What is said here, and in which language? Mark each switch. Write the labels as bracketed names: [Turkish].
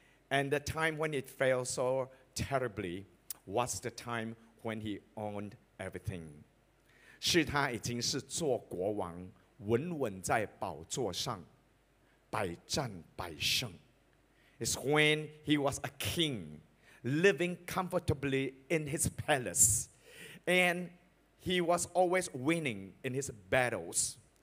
[English] And the time when it fell so terribly was the time when he owned everything. [Chinese] 是他已经是做国王，稳稳在宝座上，百战百胜。 [English] It's when he was a king, living comfortably in his palace, and he was always winning in his battles.